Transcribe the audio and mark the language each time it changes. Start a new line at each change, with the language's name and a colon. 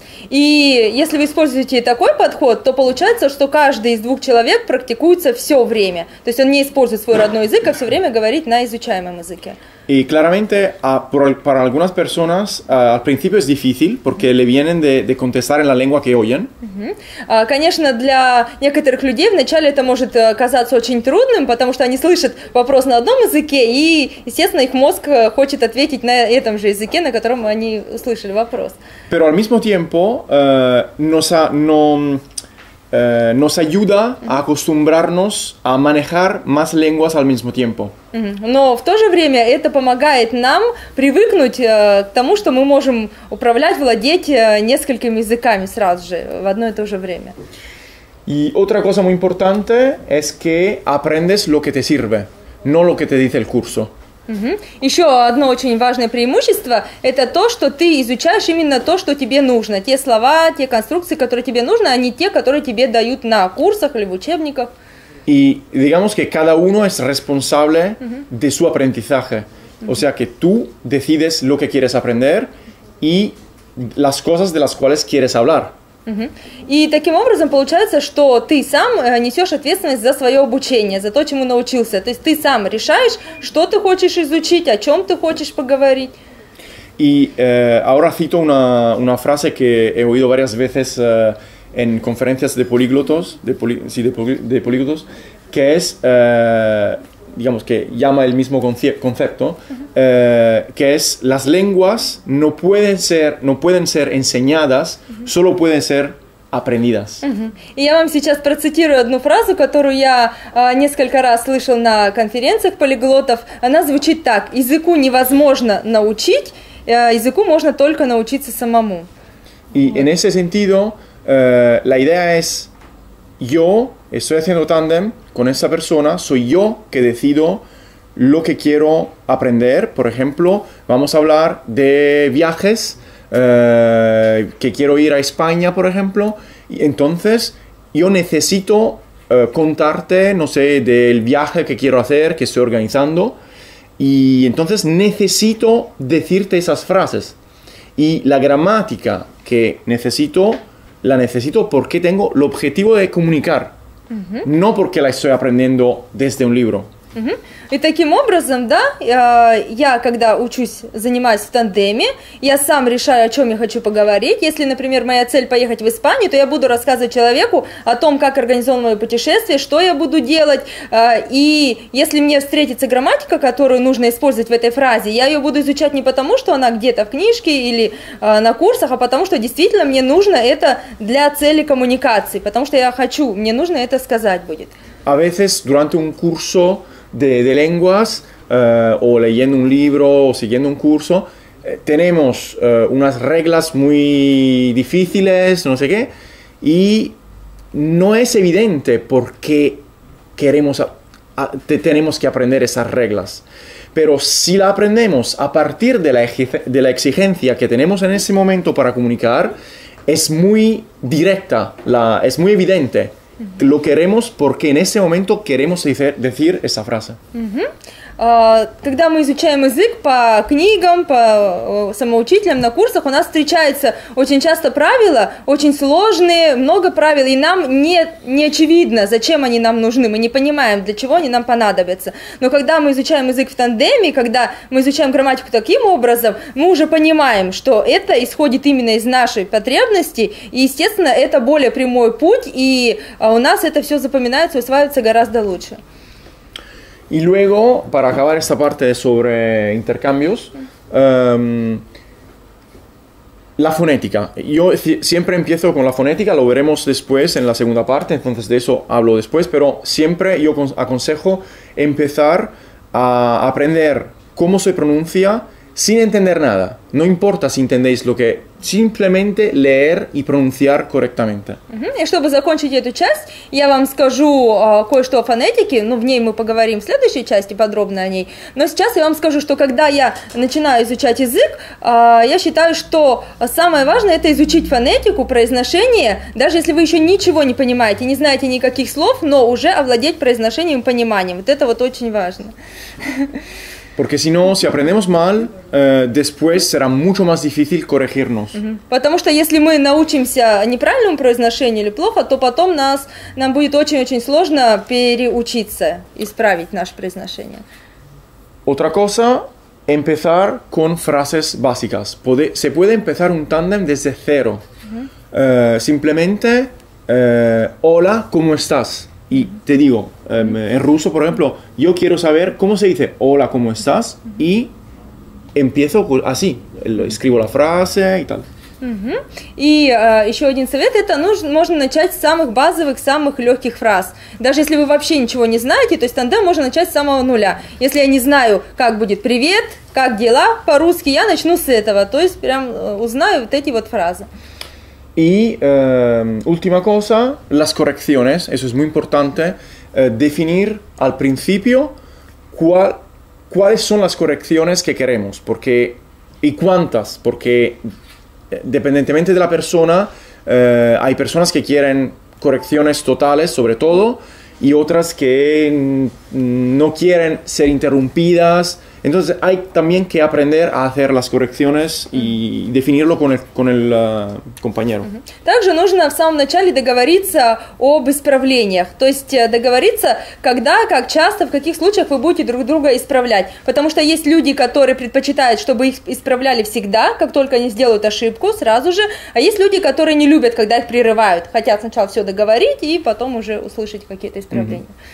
Russian: И если вы используете такой подход, то получается, что каждый из двух человек практикуется все время. То есть он не использует свой родной язык, а все время говорит на изучаемом языке.
Spanish: Y claramente, para algunas personas, al principio es difícil, porque le vienen de contestar en la lengua que oyen.
Russian: Конечно, для некоторых людей вначале это может казаться очень трудным, потому что они слышат вопрос на одном языке, и, естественно, их мозг хочет ответить на этом же языке, на котором они услышали вопрос.
Spanish: Pero al mismo tiempo, nos ayuda a acostumbrarnos a manejar más lenguas al mismo tiempo.
Russian: Но в то же время это помогает нам привыкнуть к тому, что мы можем управлять, владеть несколькими языками сразу же, в одно и то же время.
Spanish: Y otra cosa muy importante es que aprendes lo que te sirve, no lo que te dice el curso.
Russian: Еще одно очень важное преимущество – это то, что ты изучаешь именно то, что тебе нужно. Те слова, те конструкции, которые тебе нужны, а не те, которые тебе дают на курсах или в учебниках.
Spanish: И, digamos que cada uno es responsable de su aprendizaje. O sea que tú decides lo que quieres aprender y las cosas de las cuales quieres hablar.
Russian: И таким образом получается, что ты сам несешь ответственность за свое обучение, за то, чему научился. То есть ты сам решаешь, что ты хочешь изучить, о чем ты хочешь поговорить.
Spanish: И ahora cito una frase que he oído varias veces en conferencias de políglotos, de políglotos, que es, digamos, que llama el mismo concepto, que es las lenguas no pueden ser enseñadas, solo pueden ser aprendidas.
Russian: И я вам сейчас процитирую одну фразу, которую я несколько раз слышал на конференциях полиглотов. Она звучит так: языку невозможно научить, языку можно только научиться самому.
Spanish: И en ese sentido, la idea es yo estoy haciendo tándem con esa persona, soy yo que decido lo que quiero aprender. Por ejemplo, vamos a hablar de viajes, que quiero ir a España, por ejemplo. Y entonces, yo necesito contarte, no sé, del viaje que quiero hacer, que estoy organizando. Y entonces necesito decirte esas frases. Y la gramática que necesito, la necesito porque tengo el objetivo de comunicar. No porque la estoy aprendiendo desde un libro.
Russian: И таким образом, да, я когда учусь, занимаюсь в тандеме, я сам решаю, о чем я хочу поговорить. Если, например, моя цель поехать в Испанию, то я буду рассказывать человеку о том, как организовано мое путешествие, что я буду делать. И если мне встретится грамматика, которую нужно использовать в этой фразе, я ее буду изучать не потому, что она где-то в книжке или на курсах, а потому что действительно мне нужно это для цели коммуникации, потому что я хочу, мне нужно это сказать будет.
Spanish: A veces durante un curso de lenguas o leyendo un libro o siguiendo un curso tenemos unas reglas muy difíciles, no sé qué, y no es evidente por qué tenemos que aprender esas reglas. Pero si la aprendemos a partir de la exigencia que tenemos en ese momento para comunicar, es muy directa, es muy evidente. Lo queremos porque en ese momento queremos decir esa frase.
Russian: Когда мы изучаем язык по книгам, по самоучителям, на курсах, у нас встречаются очень часто правила, очень сложные, много правил, и нам не очевидно, зачем они нам нужны, мы не понимаем, для чего они нам понадобятся. Но когда мы изучаем язык в тандеме, когда мы изучаем грамматику таким образом, мы уже понимаем, что это исходит именно из нашей потребности, и, естественно, это более прямой путь, и у нас это все запоминается, усваивается гораздо лучше.
Spanish: Y luego, para acabar esta parte sobre intercambios, la fonética. Yo siempre empiezo con la fonética, lo veremos después en la segunda parte, entonces de eso hablo después, pero siempre yo aconsejo empezar a aprender cómo se pronuncia sin entender nada. No importa si entendéis lo que... Simplemente leer y pronunciar correctamente.
Russian: И чтобы закончить эту часть, я вам скажу кое-что о фонетике. Ну, в ней мы поговорим в следующей части подробно о ней. Но сейчас я вам скажу, что когда я начинаю изучать язык, я считаю, что самое важное – это изучить фонетику, произношение. Даже если вы еще ничего не понимаете, не знаете никаких слов, но уже овладеть произношением и пониманием. Вот это вот очень важно.
Spanish: Porque si no, si aprendemos mal, después será mucho más difícil corregirnos.
Russian: Потому что если мы научимся неправильному произношению или плохо, то потом нам будет очень-очень сложно переучиться, исправить наше произношение.
Spanish: Otra cosa, empezar con frases básicas. Se puede empezar un tándem desde cero. Simplemente, hola, ¿cómo estás? Y te digo, en ruso, por ejemplo, yo quiero saber cómo se dice hola, ¿cómo estás? Y empiezo así, escribo la frase y tal.
Russian: И еще один совет, это можно начать с самых базовых, самых легких фраз. Даже если вы вообще ничего не знаете, то есть тандем можно начать с самого нуля. Если я не знаю, как будет привет, как дела по-русски, я начну с этого. То есть прям узнаю вот эти вот фразы.
Spanish: Y última cosa, las correcciones, eso es muy importante, definir al principio cuáles son las correcciones que queremos, porque, y cuántas, porque dependientemente de la persona, hay personas que quieren correcciones totales sobre todo, y otras que no quieren ser interrumpidas. Entonces hay también que aprender a hacer las correcciones y definirlo con el compañero.
Russian: Также нужно в самом начале договориться об исправлениях, то есть договориться, когда, как часто, в каких случаях вы будете друг друга исправлять. Потому что есть люди, которые предпочитают, чтобы их исправляли всегда, как только они сделают ошибку, сразу же. А есть люди, которые не любят, когда их прерывают, хотят сначала все договорить и потом уже услышать какие-то исправления.